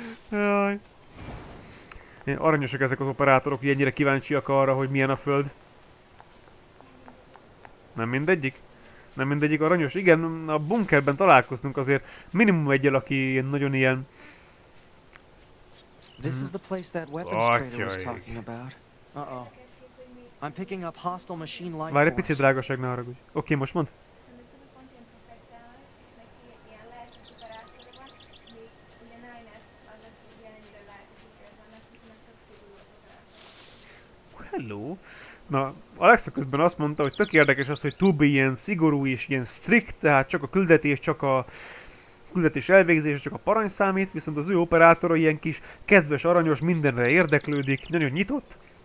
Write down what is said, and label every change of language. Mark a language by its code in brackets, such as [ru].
[hu] Jaj. Aranyosak ezek az operátorok, hogy ennyire kíváncsiak arra, hogy milyen a Föld. Nem mindegyik? Nem mindegyik aranyos? Igen, a bunkerben találkoztunk azért minimum egyel, aki nagyon ilyen... [en] This is the place that weapons trader was talking about. Uh-oh. I'm picking up hostile machine life force. [hu] Várj egy picit, drágaság, ne haragudj. Oké, most mondd. Hello. Na, Alexa közben azt mondta, hogy tök érdekes az, hogy 2B ilyen szigorú és ilyen strict, tehát csak a küldetés, csak a küldetés elvégzése, csak a parancs számít, viszont az ő operátora ilyen kis kedves, aranyos, mindenre érdeklődik, nagyon nyitott.